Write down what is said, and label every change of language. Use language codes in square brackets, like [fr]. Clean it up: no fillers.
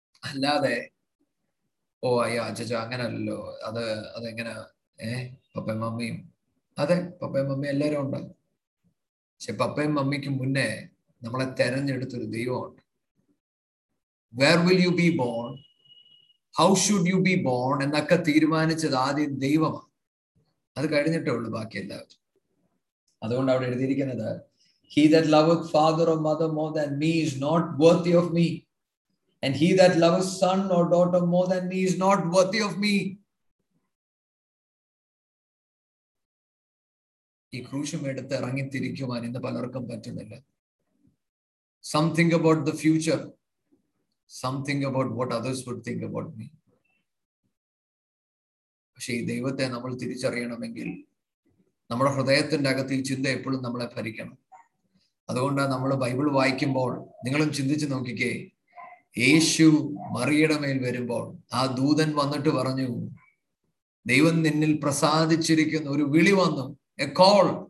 [ml] അല്ലാതെ ഓ അയ്യാ അജജ അങ്ങനല്ലോ അത് അതെങ്ങനെ പപ്പയും മമ്മിയും, അതെ പപ്പയും മമ്മിയും എല്ലാരും ഉണ്ട്. പക്ഷെ പപ്പയും മമ്മിക്ക് മുന്നേ നമ്മളെ തെരഞ്ഞെടുത്തൊരു ദൈവമുണ്ട്. [en] Where will you be born? How should you be born? And that determined the God. That's all that is left. That's why he said that he that loveth father or mother more than me is not worthy of me. And he that loveth son or daughter more than me is not worthy of me. [ml] ഈ ക്രൂശം എടുത്ത് ഇറങ്ങിത്തിരിക്കുവാൻ ഇന്ന് പലർക്കും പറ്റുന്നില്ല. [en] Something about the future. Something about what others would think about me. [ml] പക്ഷേ ഈ ദൈവത്തെ നമ്മൾ തിരിച്ചറിയണമെങ്കിൽ നമ്മുടെ ഹൃദയത്തിന്റെ അകത്ത് ഈ ചിന്ത എപ്പോഴും നമ്മളെ ഭരിക്കണം. അതുകൊണ്ടാണ് നമ്മൾ ബൈബിൾ വായിക്കുമ്പോൾ നിങ്ങളും ചിന്തിച്ചു നോക്കിക്കേ, യേശു മറിയുടെ മേൽ വരുമ്പോൾ ആ ദൂതൻ വന്നിട്ട് പറഞ്ഞു, ദൈവം നിന്നിൽ പ്രസാദിച്ചിരിക്കുന്ന ഒരു വിളി വന്നു, എ കോൾ.